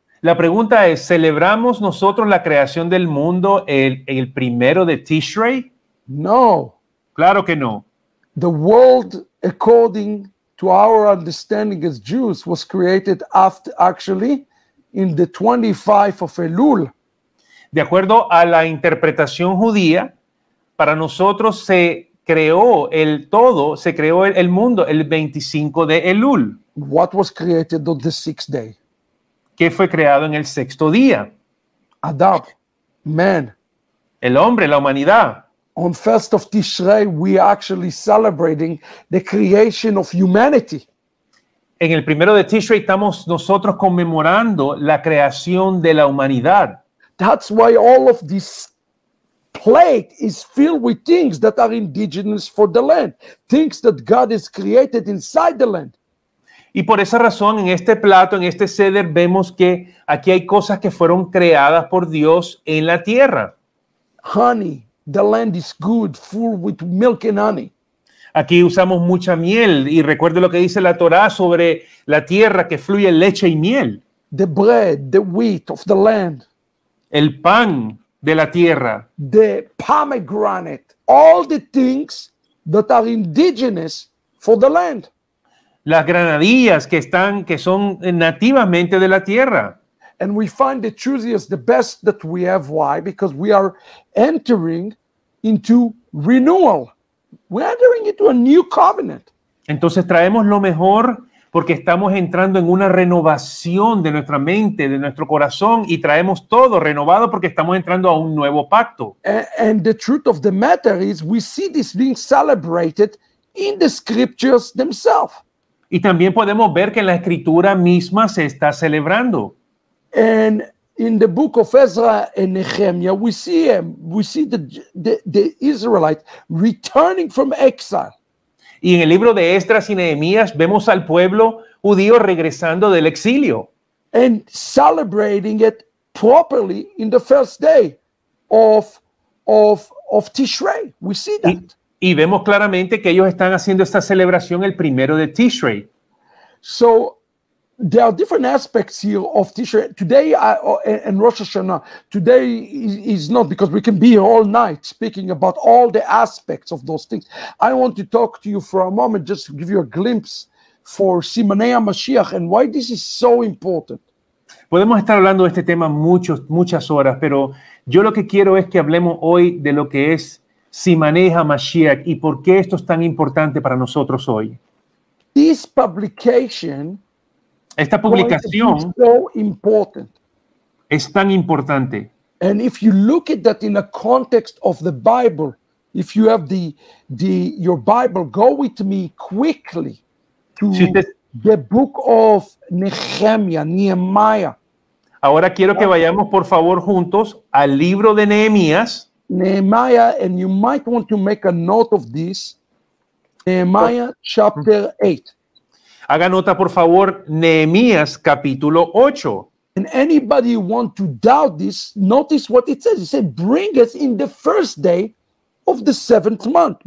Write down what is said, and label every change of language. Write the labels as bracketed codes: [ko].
[es] La pregunta es, ¿celebramos nosotros la creación del mundo el primero de Tishrei? No. Claro que no. [en] The world, according to our understanding as Jews, was created after, actually, in the 25 of Elul. [es] De acuerdo a la interpretación judía, para nosotros se creó el todo, se creó el mundo el 25 de Elul. [en] What was created on the sixth day? [es] ¿Qué fue creado en el sexto día? [en] Adam, man. [es] El hombre, la humanidad. [en] On first of Tishrei, we are actually celebrating the creation of humanity. [es] En el primero de Tishrei estamos nosotros conmemorando la creación de la humanidad. [en] That's why all of this plague is filled with things that are indigenous for the land, things that God has created inside the land. [es] Y por esa razón, en este plato, en este seder, vemos que aquí hay cosas que fueron creadas por Dios en la tierra. [en] Honey. The land is good, full with milk and honey. [es] Aquí usamos mucha miel y recuerde lo que dice la Torá sobre la tierra que fluye leche y miel. [en] The bread, the wheat of the land. [es] El pan de la tierra. [en] The pomegranate, all the things that are indigenous for the land. [es] Las granadillas que son nativamente de la tierra. [en] And we find the choosiest, the best that we have. Why? Because we are entering into renewal. We're entering into a new covenant. [es] Entonces traemos lo mejor porque estamos entrando en una renovación de nuestra mente, de nuestro corazón, y traemos todo renovado porque estamos entrando a un nuevo pacto. [en] And the truth of the matter is we see this being celebrated in the scriptures themselves. [es] Y también podemos ver que en la escritura misma se está celebrando. [en] And in the book of Ezra and Nehemiah, we see the Israelites returning from exile. [es] Y en el libro de Esdras y Nehemías vemos al pueblo judío regresando del exilio. [en] And celebrating it properly in the first day of Tishrei. We see that. [es] Y vemos claramente que ellos están haciendo esta celebración el primero de Tishrei. [en] So There are different aspects here of Tishrei. Today and Rosh Hashanah, today is not, because we can be here all night speaking about all the aspects of those things. I want to talk to you for a moment, just to give you a glimpse for Simanei HaMashiach and why this is so important. [es] Podemos estar hablando de este tema muchas horas, pero yo lo que quiero es que hablemos hoy de lo que es Simanei HaMashiach y por qué esto es tan importante para nosotros hoy. [en] This publication, [es] esta publicación, [en] so important, [es] es tan importante. [en] And if you look at that in a context of the Bible, if you have your Bible, go with me quickly to the book of Nehemiah. [es] Ahora quiero que vayamos por favor juntos al libro de Nehemías. [en] Nehemiah, and you might want to make a note of this. Nehemiah chapter 8. [es] Haga nota por favor, Nehemías capítulo 8. [en] And anybody want to doubt this, notice what it says. It says, bring us in the first day of the seventh month.